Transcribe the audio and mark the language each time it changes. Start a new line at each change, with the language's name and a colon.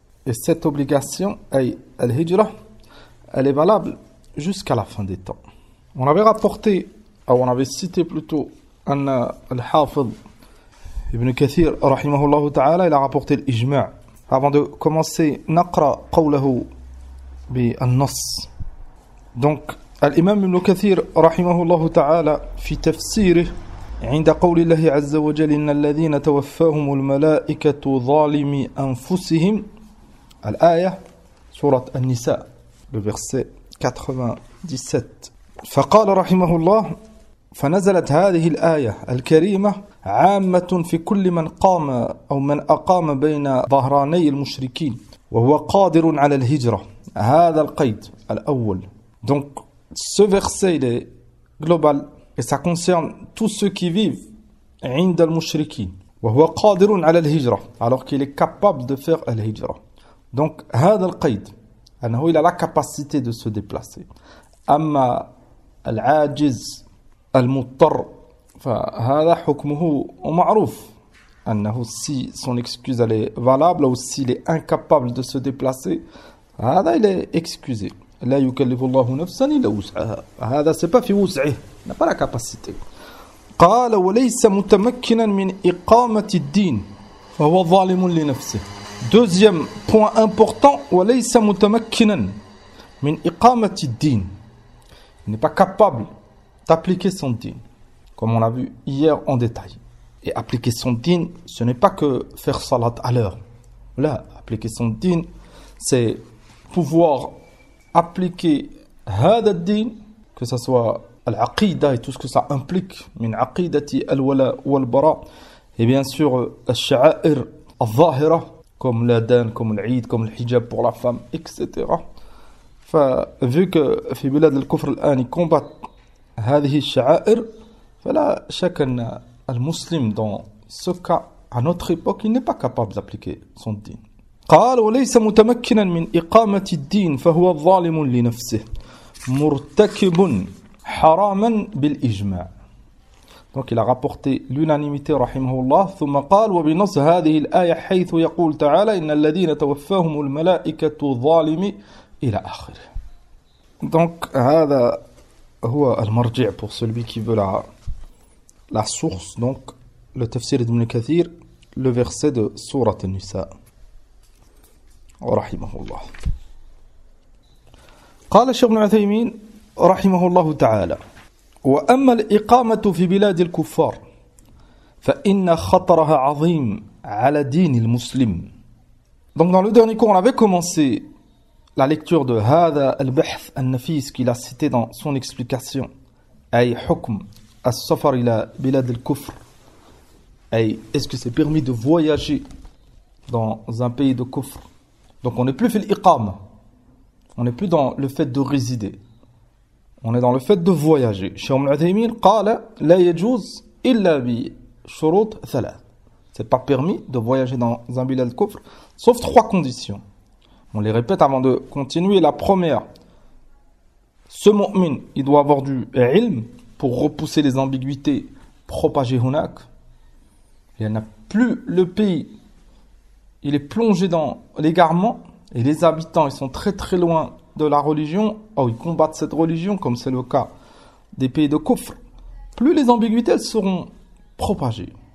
French: Et cette obligation, ay al-hijra, elle est valable jusqu'à la fin des temps. On avait rapporté, ou on avait cité plutôt, anna al-hafidh Ibn Kathir, rahimahullahu ta'ala, il a rapporté l'ijma'. Avant de commencer,
Arabic: naqra qawlahu bi al-nas. Donc, l'imam Ibn Kathir, rahimahullahu ta'ala, fi tafsirih, عند قول الله عز وجل إن الذين توفاهم الملائكة ظالمي أنفسهم الآية سورة النساء verset 97 فقال رحمه الله فنزلت هذه الآية الكريمة عامة في كل من قام أو من أقام بين ظهراني المشركين وهو قادر على الهجرة هذا القيد الأول.
French: Donc ce verset il est global. Et ça concerne tous ceux qui vivent «
Arabic: عند المشركين » « وهو قادر على الهجرة
French: » alors qu'il est capable de faire « الهجرة » Donc, «
Arabic: هذا القيد
French: » il a la capacité de se déplacer.
Arabic: « أما العاجز المضطر » فهذا حكمه معروف.
French: Si son excuse elle est valable ou s'il est incapable de se déplacer, هذا il est excusé.
Arabic: « لا يكلف الله نفسا إلا وسعها » هذا
French: c'est pas
Arabic: « في وسعه »
French: n'a pas la capacité.
Arabic: قال وليس متمكنا من إقامة الدين فهو ظالم لنفسه.
French: Deuxième point important,
Arabic: وليس متمكنا من إقامة الدين.
French: Il n'est pas capable d'appliquer son dîn, comme on l'a vu hier en détail. Et appliquer son dîn, ce n'est pas que faire salat à l'heure. Là, appliquer son dîn, c'est pouvoir appliquer
Arabic: هذا الدين,
French: que ce soit Al-Aqidah et tout ce que ça implique,
Arabic: min Aqidati al-Wala wal-Bara,
French: et bien sûr, al-Sha'a'ir al-Zahira, comme l'Adan, comme l'Aïd, comme l'Hijab pour la femme, etc. Vu que,
Arabic: fi bilad al-Kufr al-An,
French: ils combattent
Arabic: hadhihi al-Sha'a'ir,
French: voilà, chacun al-Muslim, dans ce cas, à notre époque, il n'est pas capable d'appliquer son din.
Arabic: Qal wa laysa mutamakkinan min iqamati din, fa huwa zalimun li nafsih, murtakibun. حَرَامًا بِالْإِجْمَعِ.
French: Donc il a rapporté l'unanimité,
Arabic: rahimahullah, ثُمَّ قَالْ وَبِنَصْ هَذِهِ الْآيَةِ حَيْثُ يَقُولُ تَعَالَى إِنَّ الَّذِينَ تَوَفَّاهُمُ الْمَلَائِكَةُ ظَالِمِ إِلَى آخِرِهِ.
French: Donc,
Arabic: هذا هو المرجع,
French: pour celui qui veut la source, donc, le tafsir d'Ibn Kathir, le verset de Sourate An-Nisa, rahimahullah.
Arabic: قال الشيخ ابن عثيمين رحمه الله تعالى وأما الإقامة في بلاد الكفار فإن خطرها عظيم على دين المسلم.
French: Donc dans le dernier cours on avait commencé la lecture de
Arabic: هذا البحث النفيس
French: qu'il a cité dans son explication,
Arabic: أي حكم السفر إلى بلاد الكفر,
French: أي est-ce que c'est permis de voyager dans un pays de kufr. Donc on n'est plus
Arabic: في الإقامة,
French: on n'est plus dans le fait de résider. On est dans le fait de voyager.
Arabic: Cheikh Ibn Uthaymeen قال لا يجوز إلا بشروط ثلاث.
French: C'est pas permis de voyager dans un bilad kufr sauf trois conditions. On les répète avant de continuer. La première, ce mu'min, il doit avoir du ilm pour repousser les ambiguïtés propagées hunak. Il n'y en a plus le pays. Il est plongé dans l'égarement et les habitants, ils sont très très loin de la religion, ou ils combattent cette religion, comme c'est le cas des pays de Kufr, plus les ambiguïtés elles seront propagées.